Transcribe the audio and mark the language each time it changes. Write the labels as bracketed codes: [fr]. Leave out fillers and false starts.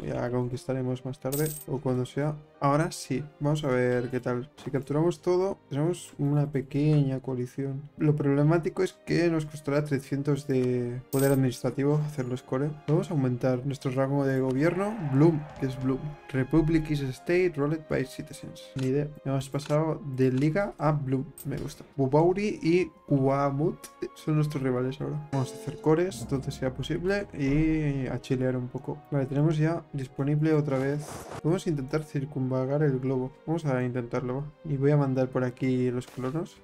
[es] Ya conquistaremos más tarde o cuando sea. Ahora sí. Vamos a ver qué tal. Si capturamos todo, tenemos una pequeña coalición. Lo problemático es que nos costará 300 de poder administrativo hacer los core. Vamos a aumentar nuestro rango de gobierno. Bloom. ¿Qué es Bloom? [en] Republic is a state ruled by citizens. [es] Ni idea. Hemos pasado de Liga a Bloom. Me gusta. Bubauri y Guamut son nuestros rivales ahora. Vamos a hacer cores donde sea posible y a chilear un poco. Vale, tenemos ya disponible otra vez. Vamos a intentar circunvagar el globo. Vamos a intentarlo. Y voy a mandar por aquí los colonos.